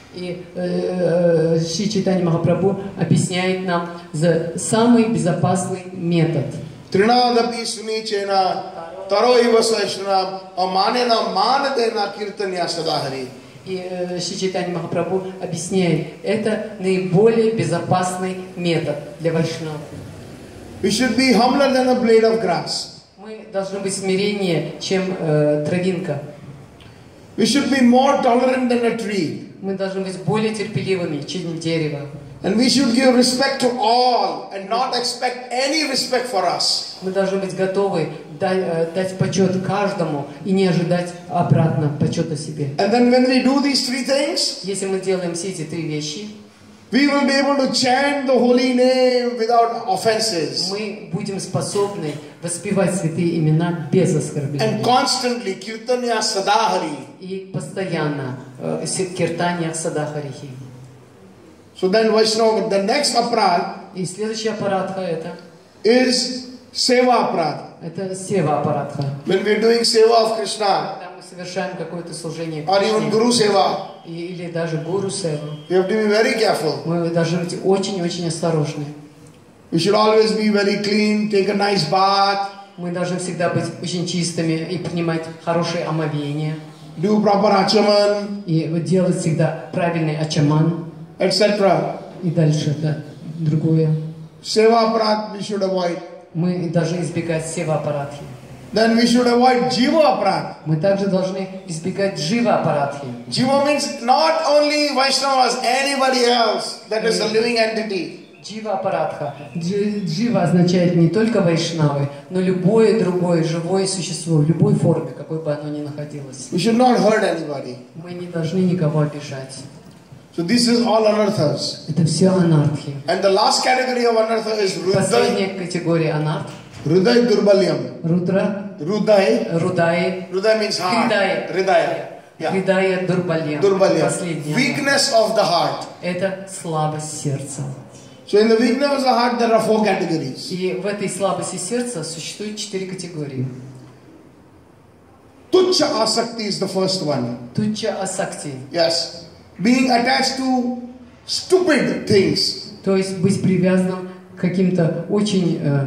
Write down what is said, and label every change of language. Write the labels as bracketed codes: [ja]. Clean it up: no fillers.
[ru] И Шри Чайтанья Махапрабху объясняет нам за самый безопасный метод. [sa] Тринадапи суни чена таро ива сашна аманена манадена киртанья садахари. [ru] И Шри Чайтанья Махапрабху объясняет, это наиболее безопасный метод для вайшнава. [en] We should be humbler than a blade of grass. [ru] Мы должны быть смиреннее, чем травинка. [en] We should be more tolerant than a tree. [ru] Мы должны быть более терпеливыми, чем дерево. [en] And we should give respect to all and not expect any respect for us. [ru] Мы должны быть готовы дать почет каждому и не ожидать обратно почета себе. [en] And then when we do these three things, [ru] если мы делаем все эти три вещи, [en] we will be able to chant the holy name without offenses. [ru] Мы будем способны воспевать святые имена без оскорблений. [en] And constantly kirtanya sadahari. [ru] И постоянно [sa] kirtanya sadahari. [en] So then Vaishnava, the next aparat, [ru] и следующий аппаратха это [en] is seva aparat. [ru] Это сева аппаратха. [en] When we are doing seva of Krishna, [ru] мы совершаем какое-то служение Гуру-сева, или даже Гуру-сева, [en] we have to be very careful. [ru] Мы должны быть очень-очень осторожны. [en] We should always be very clean, take a nice bath. [ru] Мы должны всегда быть очень чистыми и принимать хорошее омовение. [en] Do proper achaman. [ru] И делать всегда правильный ачаман. [en] Etc. [ru] И дальше это другое. [en] Сева-апарат we should avoid. [ru] Мы должны избегать сева-апаратхи. [en] Then we should avoid jiva aparat. [ru] Мы также должны избегать jiva aparatхи. [en] Jiva means not only Vaishnavas, anybody else that is a living entity. Jiva aparatха. [ru] Jiva означает не только вайшнавы, но любое другое живое существо в любой форме, какой бы оно ни находилось. [en] We should not hurt anybody. [ru] Мы не должны никого обижать. [en] So this is all anarthas. [ru] Это все анартхи. [en] And the last category of anartha is rudra. [ru] Последняя категория анарт. [sa] Rudai durbalyam. Rudra. Rudai. Rudai. [en] Rudai means heart. [sa] Hridaya. Hridaya. Хридая дурбальям. [ru] Последняя. [en] Weakness of the heart. [ru] Это слабость сердца. [en] So in the weakness of the heart there are four categories. [ru] И в этой слабости сердца существует четыре категории. [en] Tuccha asakti is the first one. [sa] Tuccha asakti. [en] Yes. Being attached to stupid things. [ru] То есть быть привязанным к каким-то очень